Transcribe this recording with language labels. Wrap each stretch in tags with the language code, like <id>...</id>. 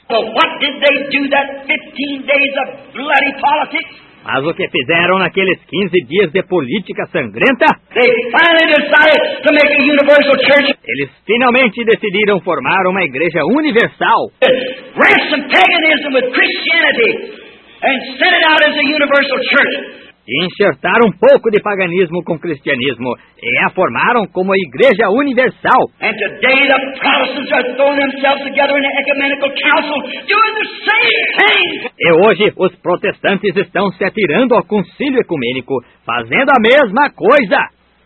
<en>So what did they do that 15 days of bloody politics?</en> <pt>Mas o que fizeram naqueles 15 dias de política sangrenta?</pt> <en>They finally decided to make a universal church.</en> <pt>Eles finalmente decidiram formar uma igreja universal.</pt> <en>Ransom paganism with Christianity and set it out as a universal church.</en> <pt>E enxertaram um pouco de paganismo com cristianismo e a formaram como a igreja universal.</pt> <en>And today the Protestants are throwing themselves together in the ecumenical council doing the same thing.</en> <pt>E hoje os protestantes estão se atirando ao concílio ecumênico fazendo a mesma coisa.</pt>